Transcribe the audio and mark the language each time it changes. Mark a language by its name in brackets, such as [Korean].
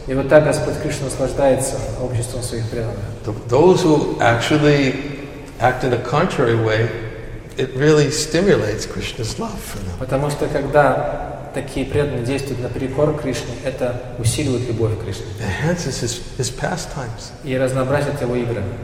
[Russian] И вот так Господь Кришна наслаждается обществом своих преданных. [English] Those who actually act in a contrary way, it really stimulates Krishna's love for them. [Russian] Потому что когда такие преданные действуют наперекор Кришне, это усиливает любовь к Кришне. [English] Enhances his pastimes. [Russian] И разнообразит его игры.